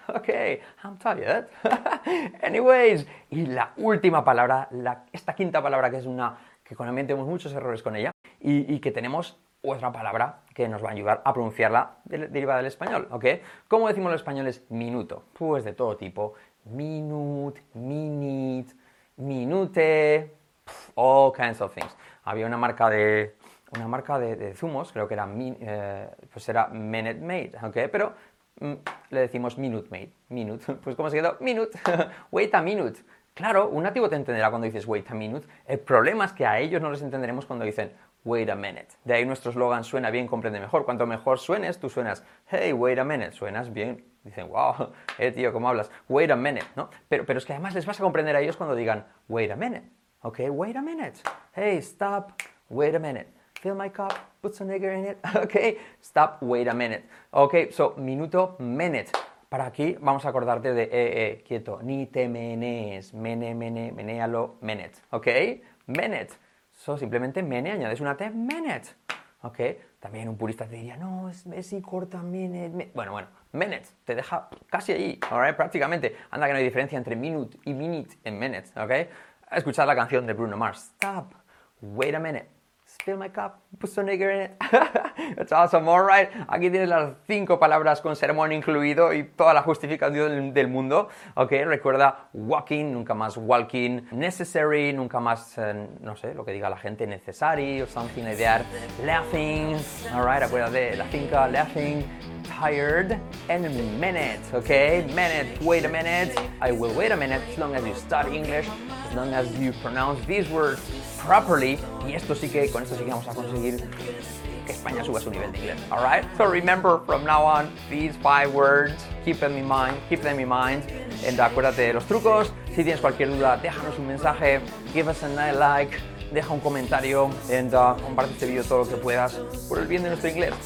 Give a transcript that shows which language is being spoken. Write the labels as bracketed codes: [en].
[en] Ok, I'm tired. Anyways, [es] y la última palabra, esta quinta palabra que es una que cometemos muchos errores con ella y que tenemos otra palabra que nos va a ayudar a pronunciarla derivada del español, ¿ok? ¿Cómo decimos los españoles minuto? Pues de todo tipo. [en] Minute, minute, minute, all kinds of things. [es] Había una marca de... Una marca de zumos, creo que era, pues era Minute Maid, ¿ok? Pero le decimos Minute Maid, Minute. Pues ¿cómo se quedó? [en] Minute, wait a minute. [es] Claro, un nativo te entenderá cuando dices [en] wait a minute. [es] El problema es que a ellos no les entenderemos cuando dicen [en] wait a minute. [es] De ahí nuestro slogan suena bien, comprende mejor. Cuanto mejor suenes, tú suenas, [en] hey, wait a minute, [es] suenas bien. Dicen, wow, tío, ¿cómo hablas? [en] Wait a minute, [es] ¿no? Pero es que además les vas a comprender a ellos cuando digan [en] wait a minute, [es] ¿ok? [en] Wait a minute, hey, stop, wait a minute. Fill my cup, put some sugar in it. Ok, stop, wait a minute. Ok, so, minuto, minute. [es] Para aquí vamos a acordarte de, quieto, ni te menees, menealo, minute. Ok, minute. So, simplemente mene, añades una T, minute. Ok, también un purista te diría, no, es y corta, minute. Bueno, minute, te deja casi allí, alright, prácticamente. Anda que no hay diferencia entre minute y minute en minute, ok. Escuchad la canción de Bruno Mars, [en] stop, wait a minute. Fill my cup, put some sugar in it. That's awesome, all right. [es] Aquí tienes las 5 palabras con sermón incluido y toda la justificación del mundo. Ok, recuerda, walking, nunca más walking. Necessary, nunca más, no sé, lo que diga la gente, necessary [en] or something like that. Laughing, all right, [es] acuérdate, la 5, [en] laughing. Tired and minute, okay? Minute, wait a minute. I will wait a minute as long as you study English, as long as you pronounce these words properly. [es] Y esto sí que, con esto sí que vamos a conseguir que España suba su nivel de inglés, alright? [en] So remember from now on these 5 words, keep them in mind. [es] And acuérdate de los trucos. Si tienes cualquier duda, déjanos un mensaje, [en] give us a nice like. [es] Deja un comentario and comparte este video todo lo que puedas por el bien de nuestro inglés.